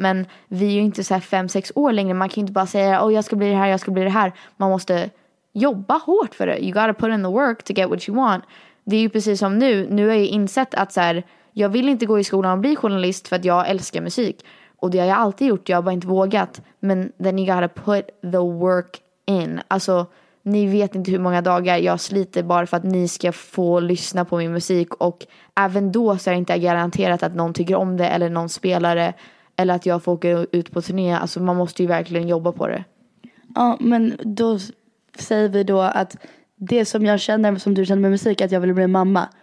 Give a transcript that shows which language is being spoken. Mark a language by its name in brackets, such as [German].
[Swedish] Men vi är ju inte så här 5-6 år längre. Man kan ju inte bara säga, oh, jag ska bli det här, jag ska bli det här. Man måste jobba hårt för det. [English] You gotta put in the work to get what you want. [Swedish] Det är ju precis som nu. Nu har jag insett att så här, jag vill inte gå i skolan och bli journalist för att jag älskar musik. Och det har jag alltid gjort, jag har bara inte vågat. [English] Men then you gotta put the work in. [Swedish] Alltså, ni vet inte hur många dagar jag sliter bara för att ni ska få lyssna på min musik. Och även då så är det inte garanterat att någon tycker om det eller någon spelare. Eller att jag får åka ut på turné. Alltså man måste ju verkligen jobba på det. Ja, men då säger vi då att det som jag känner, som du känner med musik, att jag vill bli mamma.